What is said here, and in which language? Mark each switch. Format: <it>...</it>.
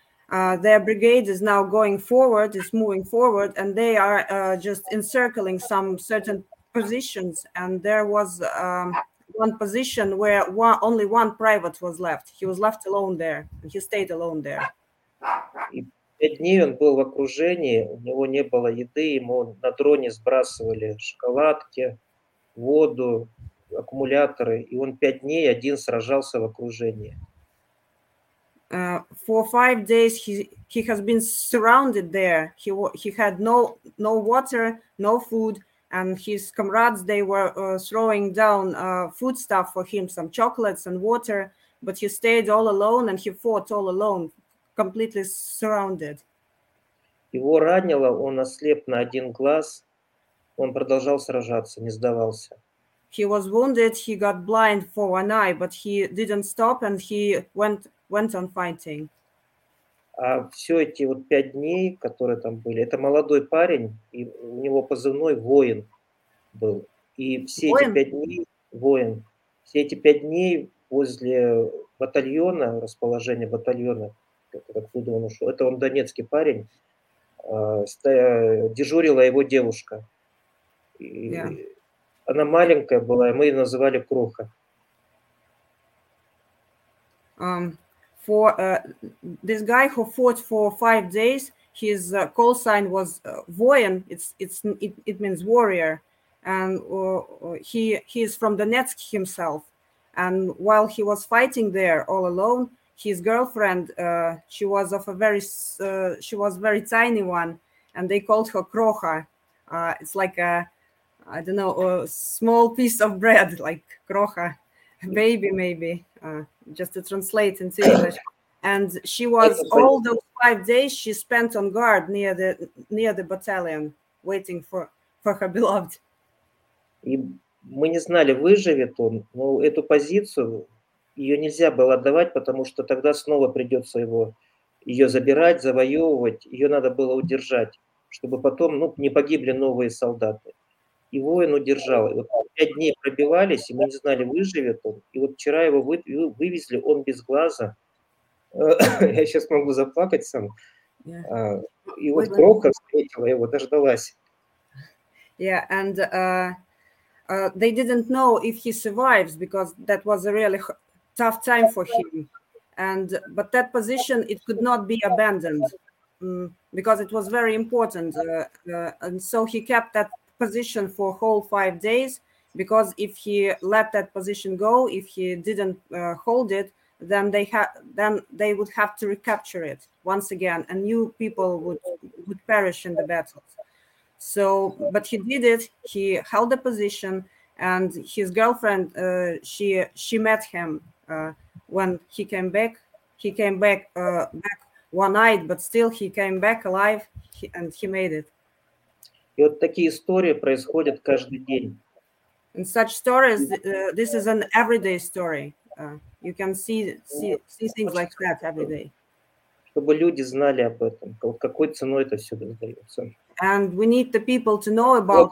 <en>Their brigade is now going forward, is moving forward, and they are just encircling some certain positions. And there was one position where only one private was left. He was left alone there. He stayed alone there.</en> <ru>Пять дней он был в окружении, у него не было еды, ему на дроне сбрасывали шоколадки, воду, аккумуляторы, и он пять дней один сражался в окружении.</ru> <en>For five days he has been surrounded there. He had no water, no food, and his comrades, they were throwing down foodstuff for him, some chocolates and water, but he stayed all alone and he fought all alone. Completely surrounded.</en> <ru>Его ранило, он ослеп на один глаз. Он продолжал сражаться, не сдавался.</ru> <en>He was wounded, he got blind for one eye, but he didn't stop and he went on fighting.</en> <ru>А все эти вот пять дней, которые там были, это молодой парень, и у него позывной воин был. И все воин? Эти пять дней, воин, все эти пять дней возле батальона, расположения батальона, откуда он ушел. Это он донецкий парень. Дежурила его девушка. И</ru> <en>yeah.</en> <ru>Она маленькая была, и мы ее называли Кроха.</ru> <en>This guy who fought for five days, his call sign was Воин. It means warrior. And he is from Donetsk himself. And while he was fighting there all alone, his girlfriend, she was of a very, she was very tiny one, and they called her Кроха. It's like a, I don't know, a small piece of bread, like Кроха, baby maybe, just to translate into English. And she was all those 5 days she spent on guard near the battalion, waiting for her beloved.</en> <ru>И мы не знали, выживет он, но эту позицию. Ее нельзя было отдавать, потому что тогда снова придется ее забирать, завоевывать. Ее надо было удержать, чтобы потом не погибли новые солдаты. И воин удержал. И вот пять дней пробивались, и мы не знали, выживет он. И вот вчера его вывезли, он без глаза. Я сейчас могу заплакать сам. И вот Кроха встретила его, дождалась.</ru> <en>Yeah, and they didn't know if he survives, because that was a really tough time for him, but that position, it could not be abandoned because it was very important, and so he kept that position for whole 5 days, because if he let that position go, if he didn't hold it, then they would have to recapture it once again, and new people would perish in the battles. So, but he did it. He held the position, and his girlfriend, she met him. When he came back back one-eyed, but still he came back alive, and he made it.</en> <ru>И вот такие истории происходят каждый день.</ru> <en>And such stories, this is an everyday story. You can see things like that every day.</en> <ru>Чтобы люди знали об этом, какой ценой это все дается.</ru> <en>And we need the people to know about</en>